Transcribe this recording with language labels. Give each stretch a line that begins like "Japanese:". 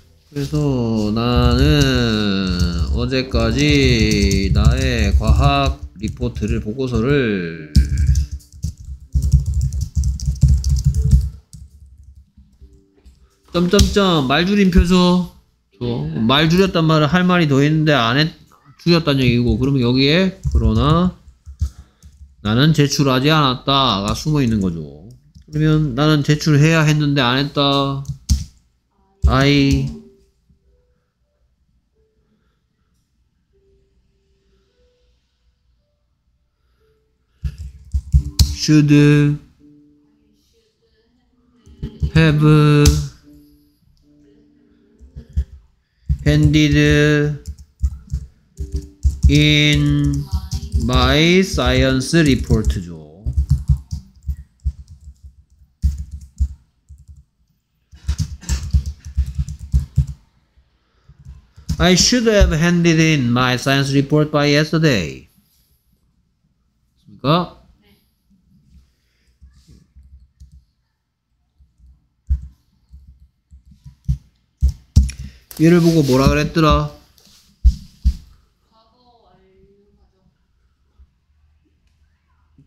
Korean: 그래서 나는 어제까지 나의 과학 리포트를 보고서를 점점점 말 줄임표죠. 네. 말 줄였단 말은 할 말이 더 있는데 안 했 줄였단 얘기고 그러면 여기에 그러나 나는 제출하지 않았다가 숨어 있는 거죠. 그러면 나는 제출해야 했는데 안 했다.
English: I should have handed in my science report죠. I should have handed in my science report by yesterday.
Korean: 그러니까 얘를 보고 뭐라 그랬더라? 과거 완료